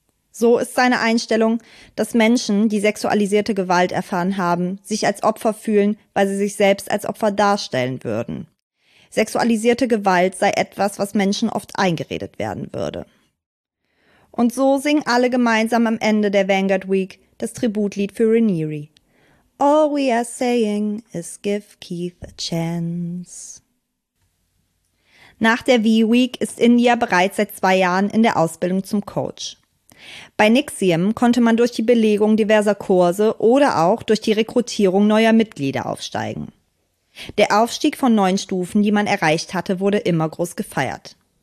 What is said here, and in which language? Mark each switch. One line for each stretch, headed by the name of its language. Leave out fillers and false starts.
German: So ist seine Einstellung, dass Menschen, die sexualisierte Gewalt erfahren haben, sich als Opfer fühlen, weil sie sich selbst als Opfer darstellen würden. Sexualisierte Gewalt sei etwas, was Menschen oft eingeredet werden würde. Und so singen alle gemeinsam am Ende der Vanguard Week das Tributlied für Raniere.
English: All we are saying is give Keith a chance.
German: Nach der V-Week ist India bereits seit 2 Jahren in der Ausbildung zum Coach. Bei Nixium konnte man durch die Belegung diverser Kurse oder auch durch die Rekrutierung neuer Mitglieder aufsteigen. Der Aufstieg von 9 Stufen, die man erreicht hatte, wurde immer groß gefeiert.